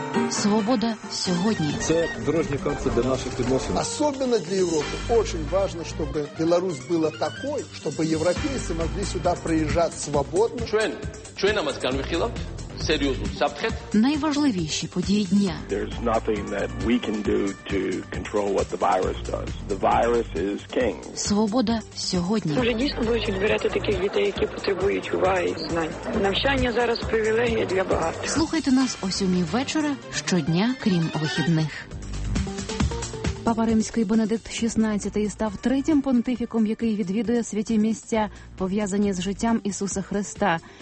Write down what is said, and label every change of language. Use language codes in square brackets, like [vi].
[uk] Свобода сьогодні. Це дорожня карта для наших відносин. Особливо для Європи. Дуже важливо, щоб Білорусь була такою, щоб європейці могли сюди приїжджати свободно. Чуєна Маскан Михайлов? Серйозно, сапхет? Найважливіші події дня. [en] There's nothing that we can do to control what the virus does. The virus is king. [uk] Свобода сьогодні. Може, дійсно будуть відбирати таких дітей, які потребують уваги і знань. Навчання зараз привілегія для багатьох. Слухайте нас о 7 вечора щодня, крім вихідних. Папа Римський Бенедикт XVI став третім понтифіком, який відвідує святі місця, пов'язані з життям Ісуса Христа.